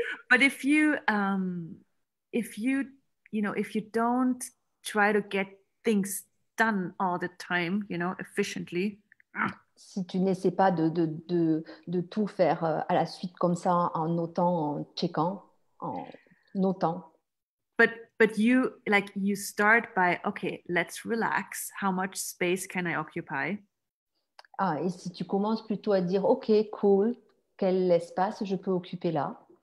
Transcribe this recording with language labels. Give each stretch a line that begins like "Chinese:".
English: But if you don't try to get things done all the time, you know, efficiently.
French: Si tu n'essaies pas de tout faire à la suite comme ça, en notant.
English: But you, like, you start by, okay, let's relax. How much space can I occupy?
French: Ah, et si tu commences plutôt à dire, okay, cool, quel espace je peux occuper là?